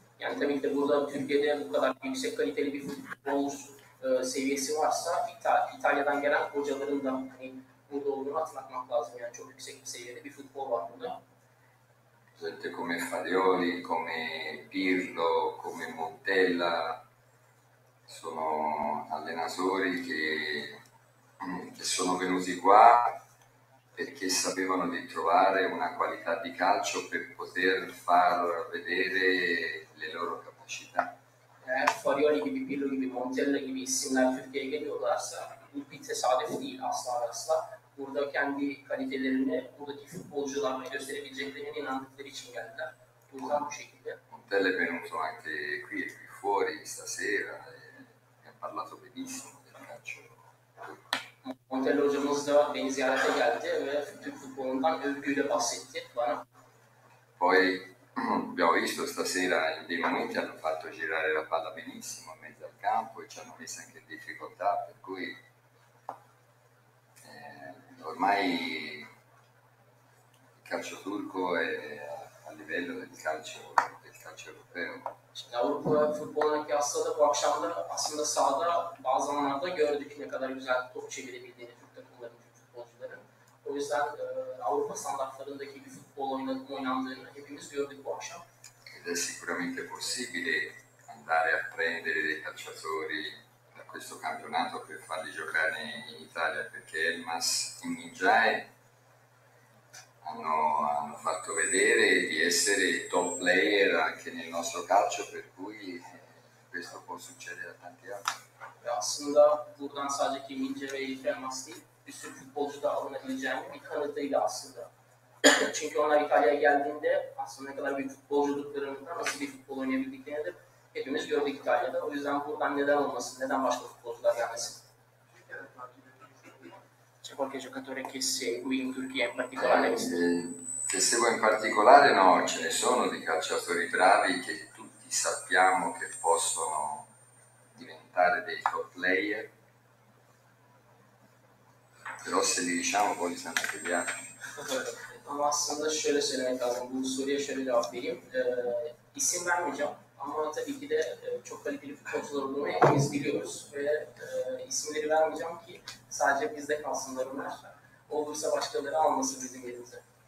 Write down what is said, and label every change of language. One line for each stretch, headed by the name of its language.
Turkish: Altrimenti burada Türkiye'de bu kadar yüksek kaliteli bir futbol seviyesi varsa İtalya'dan gelen hocaların da hani burada olduğunu hatırlatmak lazım. Yani çok yüksek bir seviyede bir futbol var burada.
Italian: Gente come Farioli, come Pirlo, come Montella sono allenatori che sono venuti qua perché sapevano di trovare una qualità di calcio per poter far vedere le loro capacità.
Turkish: Farioli gibi, Pirlo gibi, Montella gibi isimler Türkiye'ye geliyorlarsa bu bir tesadüf değil asla. Burada kendi kalitelerini, buradaki futbolcularla gösterebileceklerine inandıkları için geldiler. Buradan bu şekilde.
Italian: Montella è venuto anche qui e qui fuori stasera e ha parlato benissimo del calcio.
Turkish: Montella hocamız da beni ziyarete geldi ve Türk futbolundan övgüyle bahsetti bana.
Italian: Poi abbiamo visto stasera dei momenti hanno fatto girare la palla benissimo in mezzo al campo e ci hanno messo anche in difficoltà, per cui ormai il calcio turco è a livello del calcio europeo.
Turkish: Avrupa futboluna kıyasla da bu akşam da aslında sahada bazı zamanlarda gördük ne kadar güzel top çevirebildiğini Türk takımların, Türk futbolcuların. O yüzden Avrupa standartlarındaki bir futbol oynandığını hepimiz gördük bu akşam.
Italian: Ed è sicuramente possibile andare a prendere dei calciatori da questo campionato per farli giocare in Italia perché anche Elmas Unigiae hanno fatto vedere di essere top player anche nel nostro calcio, per cui questo può succedere a tanti altri.
Turkish: Aslında buradan sadece Kimince ve Elmas değil, bir sürü futbolcu da alınabileceğinin bir kanıtıydı aslında. Çünkü onlar İtalya'ya geldiğinde aslında ne kadar büyük futbolculuklarında nasıl bir futbol oynayabildiklerini de hepimiz gördük İtalya'da. O yüzden buradan neden olmasın, neden başka futbolcular gelmesin?
Italian: C'è qualche giocatore che segui in Turchia in particolare? Che seguo in particolare? No, ce ne sono di calciatori bravi che tutti sappiamo che possono diventare dei top player. Però se li diciamo poi sanno che gli altri.
Turkish: Ama aslında şöyle söylemek lazım, bu soruya şöyle cevap vereyim. İsim vermeyeceğim ama tabii ki de çok kaliteli futbolcular olduğunu hepimiz biliyoruz. Ve isimleri vermeyeceğim ki sadece bizde kalsınlar onlar. Olursa başkaları alması bizim elimize.